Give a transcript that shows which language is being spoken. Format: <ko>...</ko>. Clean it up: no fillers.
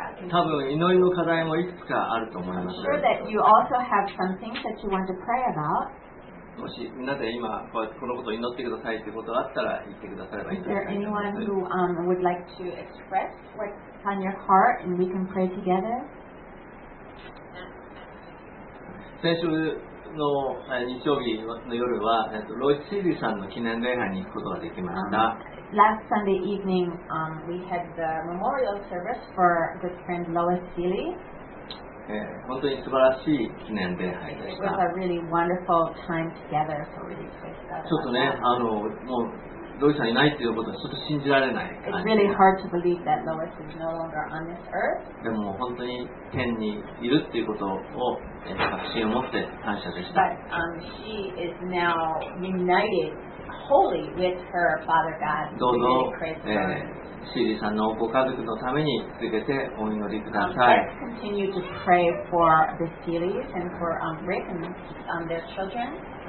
<ja>多分祈りの課題もいくつかあると思います。</ja> <en>I'm sure that you also have some things that you want to pray about.</en> <ja>もし皆さん今このことを祈ってくださいということがあったら言ってくださればいいと思います。</ja> <en>Is there anyone who would like to express what's on your heart and we can pray together?</en> <ja>先週の日曜日の夜はロイス・シリーさんの記念礼拝に行くことができました。</ja> <en>Last Sunday evening, we had the memorial service for good friend Lois Seeley.</en> <ja>本当に素晴らしい記念礼拝でした。</ja> <en>It was a really wonderful time together, so really pleased.</en> <ja>ちょっとね、もうロイさんいないっていうことはちょっと信じられない。</ja> <en>It's really hard to believe that Lois is no longer on this earth.</en> <ja>でも本当に天にいるっていうことを確信を持って感謝でした。</ja> <en>But she is now united. Holy with her Father God.</en> <ja>どうぞ、シリーさんのご家族のために続けてお祈りください。</ja> <en>Let's continue to pray for the Seeleys and for Rick and their children.</en>